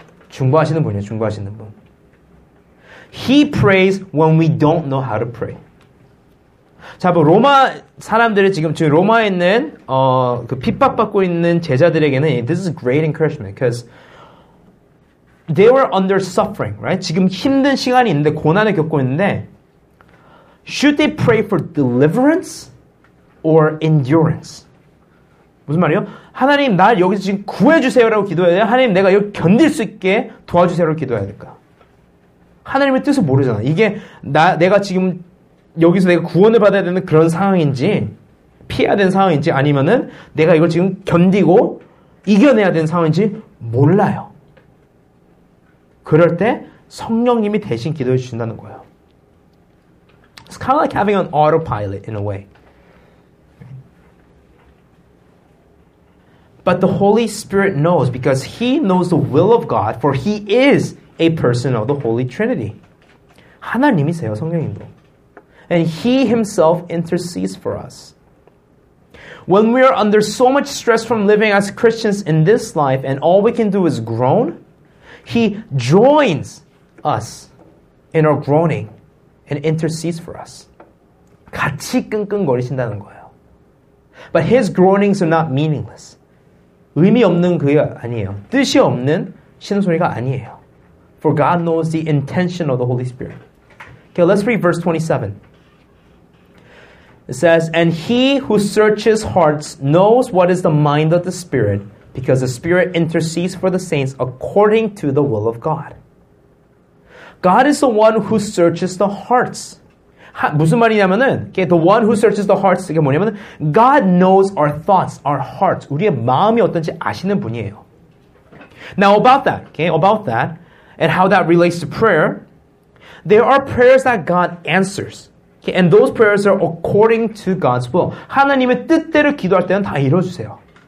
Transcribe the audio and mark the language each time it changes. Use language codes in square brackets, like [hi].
[ko] 중보하시는 분이에요, 중보하시는 분. [en] He prays when we don't know how to pray. [ko] 자, 뭐 로마 사람들이 지금 로마에 있는 그 핍박받고 있는 제자들에게는 [en] this is a great encouragement because they were under suffering, right? [ko] 지금 힘든 시간이 있는데, 고난을 겪고 있는데, [en] should they pray for deliverance or endurance? [ko] 무슨 말이요? 하나님, 날 여기서 지금 구해주세요라고 기도해야 돼요? 하나님, 내가 여기 견딜 수 있게 도와주세요라고 기도해야 될까? 하나님의 뜻을 모르잖아. 이게 내가 지금 여기서 내가 구원을 받아야 되는 그런 상황인지, 피해야 되는 상황인지, 아니면은 내가 이걸 지금 견디고 이겨내야 되는 상황인지 몰라요. 그럴 때 성령님이 대신 기도해 주신다는 거예요. [en] It's kind of like having an autopilot in a way. But the Holy Spirit knows because He knows the will of God for He is a person of the Holy Trinity. [ko] 하나님이세요, 성령님도. [en] And He Himself intercedes for us. When we are under so much stress from living as Christians in this life and all we can do is groan, He joins us in our groaning and intercedes for us. [ko] 같이 끙끙거리신다는 거예요. [en] But His groanings are not meaningless. [ko] 의미 없는 그게 아니에요. 뜻이 없는 신음소리가 아니에요. [en] For God knows the intention of the Holy Spirit. Okay, let's read verse 27. It says, and he who searches hearts knows what is the mind of the Spirit, because the Spirit intercedes for the saints according to the will of God. God is the one who searches the hearts. [ko] 무슨 말이냐면은, [en] okay, the one who searches the hearts, [ko] 이게 뭐냐면은, [en] God knows our thoughts, our hearts, [ko] 우리의 마음이 어떤지 아시는 분이에요. [en] Now about that, okay, about that, and how that relates to prayer, there are prayers that God answers. Okay, and those prayers are according to God's will. [ko] 하나님의 뜻대로 기도할 때는 다 이루어주세요.